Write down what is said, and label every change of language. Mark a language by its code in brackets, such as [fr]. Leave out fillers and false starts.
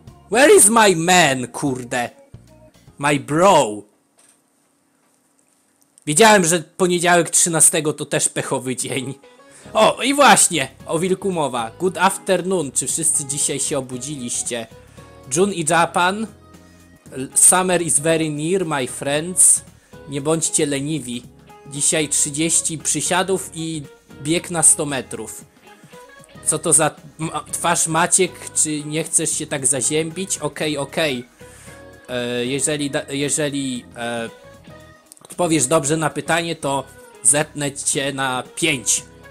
[en] Where is my man, kurde? My bro. [pl] Wiedziałem, że poniedziałek 13 to też pechowy dzień. O, i właśnie, o wilku mowa. [en] Good afternoon, [pl] czy wszyscy dzisiaj się obudziliście? June i Japan. [en] Summer is very near, my friends. [pl] Nie bądźcie leniwi. Dzisiaj 30 przysiadów i bieg na 100 metrów. Co to za twarz, Maciek? Czy nie chcesz się tak zaziębić? Okej. Jeżeli odpowiesz dobrze na pytanie, to zetnę cię na 5.